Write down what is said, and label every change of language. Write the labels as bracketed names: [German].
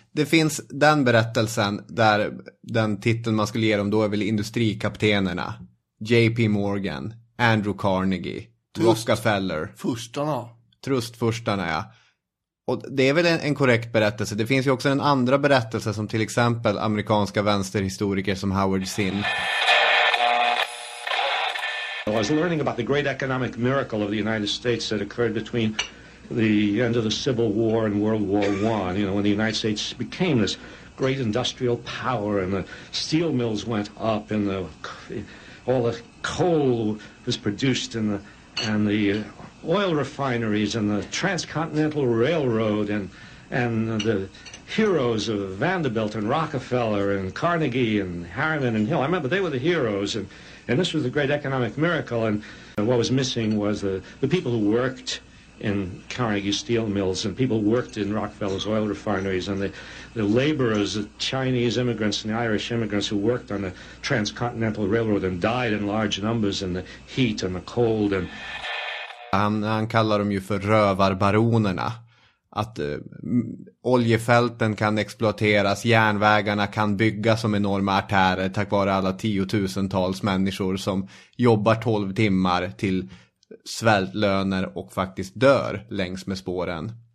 [Swedish] Det finns den berättelsen där den titeln man skulle ge dem då är väl industrikaptenerna. J.P. Morgan, Andrew Carnegie, Rockefeller. Trustfurstarna. Trustfurstarna, ja. Och det är väl en korrekt berättelse. Det finns ju också en andra berättelse som till exempel amerikanska vänsterhistoriker som Howard Zinn. [English] I was learning about the great economic miracle of the United States that occurred between the end of the Civil War and World War One, you know, when the United States became this great industrial power and the steel mills went up and the all the coal was produced and the oil refineries and the Transcontinental Railroad and the heroes of Vanderbilt and Rockefeller and Carnegie and Harriman and Hill. I remember they were the heroes and this was a great economic miracle and what was missing was the people who worked in Carnegie steel mills and people worked in Rockefeller's oil refineries and the laborers, the Chinese immigrants and the Irish immigrants who worked on the Transcontinental Railroad and died in large numbers in the heat and the cold. And [Swedish] han kallar dem ju för rövarbaronerna, att oljefälten kan exploateras, järnvägarna kan byggas som enorma artärer tack vare alla tiotusentals människor som jobbar 12 timmar till svältlöner och faktiskt dör längs med spåren.